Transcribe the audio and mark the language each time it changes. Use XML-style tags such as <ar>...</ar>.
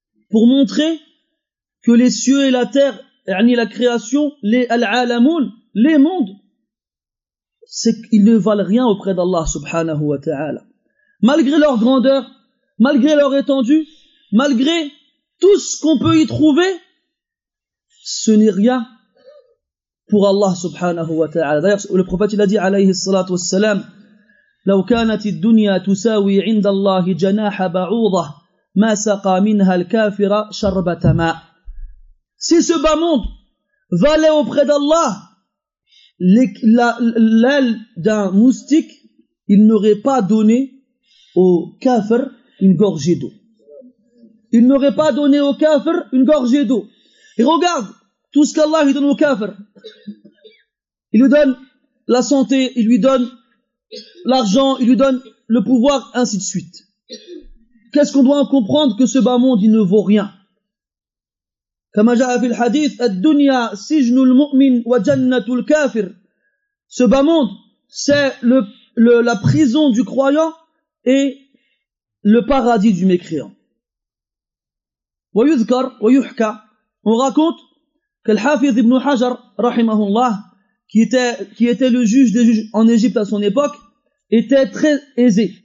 <fr>Pour montrer que les cieux et la terre, yani la création, les al-alamun, les mondes, c'est qu'ils ne valent rien auprès d'Allah subhanahu wa ta'ala. Malgré leur grandeur, malgré leur étendue, malgré tout ce qu'on peut y trouver, ce n'est rien pour Allah subhanahu wa ta'ala. D'ailleurs, le prophète il a dit</fr> <ar>alayhi salatu wassalam, لو كانت الدنيا تساوي عند الله جناح بعوضة ما سقى منها الكافر شربة ماء.</ar> <fr>Si ce bas monde valait auprès d'Allah l'aile d'un moustique, il n'aurait pas donné au kafir une gorgée d'eau. Il n'aurait pas donné au kafir une gorgée d'eau. Et regarde tout ce qu'Allah lui donne au kafir. Il lui donne la santé, il lui donne l'argent, il lui donne le pouvoir, ainsi de suite. Qu'est-ce qu'on doit en comprendre? Que ce bas monde, il ne vaut rien.</fr> <ar>كما جاء في الحديث الدنيا سجن المؤمن وجنة الكافر.</ar> <fr>Ce bas monde, c'est la prison du croyant et le paradis du mécréant.</fr> <ar>ويذكر ويحكى.</ar> <fr>On raconte que الحافظ ابن حجر</fr> <ar>رحمه الله,</ar> <fr>qui était le juge des juges en Égypte à son époque, était très aisé.</fr>